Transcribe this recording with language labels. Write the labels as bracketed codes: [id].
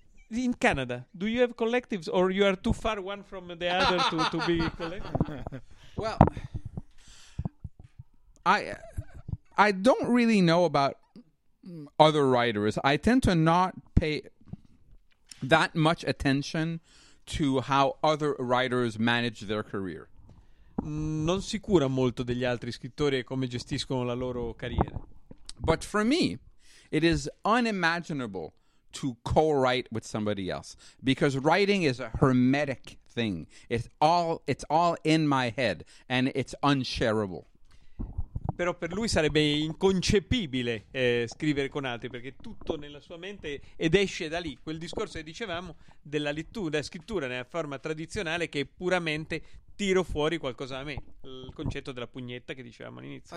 [en] In Canada, do you have collectives or you are too far one from the other to be collective? Well, I don't really know about other writers. I tend to not pay that much attention to how other writers manage their career. [it] Non si cura molto degli altri scrittori e come gestiscono la loro carriera. [en] But for me, it is unimaginable to co-write with somebody else because writing is a hermetic thing. It's all in my head and it's unshareable. [it] Però per lui sarebbe inconcepibile scrivere con altri perché è tutto nella sua mente ed esce da lì. Quel discorso che dicevamo della lettura, scrittura nella forma tradizionale che è puramente tiro fuori qualcosa da me, il concetto della pugnetta che dicevamo all'inizio.